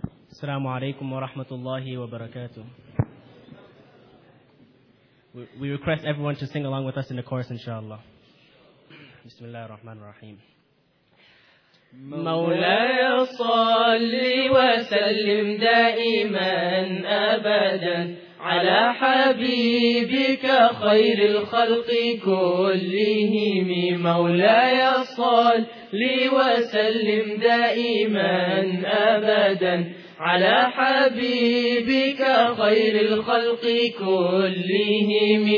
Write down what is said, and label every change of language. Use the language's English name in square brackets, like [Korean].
[Arabic] السلام عليكم ورحمة الله وبركاته. [English] We request everyone to sing along with us in the chorus, inshallah. [Arabic] بسم الله الرحمن الرحيم. مولاي صلي وسلم دائما أبدا على حبيبك خير الخلق كلهم. مولاي صلي وسلم دائما أبدا على حبيبك خير الخلق كلهم.